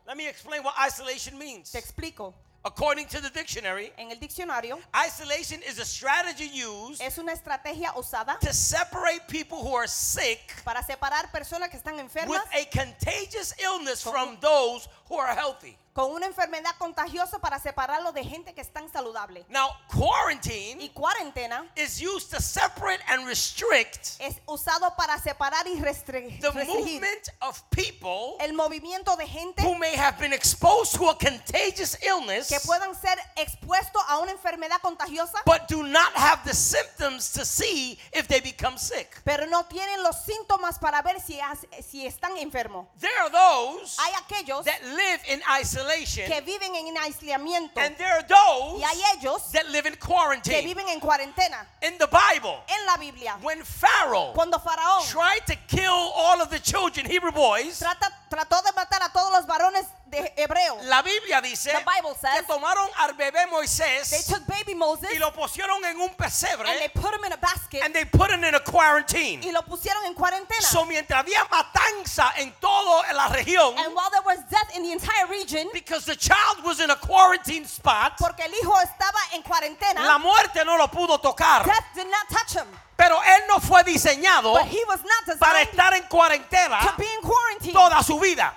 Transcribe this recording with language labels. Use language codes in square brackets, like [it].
[en] Let me explain what isolation means. [es] Te explico. [en] According to the dictionary, [es] en el diccionario, [en] isolation is a strategy used, [es] es una estrategia usada, [en] to separate people who are sick, [es] para separar personas que están enfermas, [en] with a contagious illness from those who are healthy. [es] Con una enfermedad contagiosa para separarlo de gente que están saludable. [en] Now, quarantine, [es] y cuarentena, [en] is used to separate and restrict, [es] es usado para separar y restringir, [en] the movement of people, [es] el movimiento de gente, [en] who may have been exposed to a contagious illness, [es] que puedan ser expuestos a una enfermedad contagiosa, [en] but do not have the symptoms to see if they become sick, [es] pero no tienen los síntomas para ver si están enfermos. [en] There are those, [es] hay aquellos, [en] that live in isolation, [es] que viven en aislamiento, [en] and there are those, [es] y hay ellos, [en] that live in quarantine, [es] que viven en cuarentena. [en] In the Bible, [es] en la Biblia, [en] when Pharaoh, [es] cuando Faraón, [en] tried to kill all of the children, Hebrew boys, [es] trató de matar a todos los varones de hebreo. La Biblia dice, [en] the Bible says, [es] que tomaron al bebé Moisés, [en] they took baby Moses, [es] y lo pusieron en un pesebre, [en] and they put him in a basket, and they put him in a quarantine, [es] y lo pusieron en cuarentena. So mientras había matanza en toda la región, [en] and while there was death in the entire region, because the child was in a quarantine spot, [es] porque el hijo estaba en cuarentena, la muerte no lo pudo tocar, [en] death did not touch him. [es] Pero él no fue diseñado para estar en cuarentena toda su vida.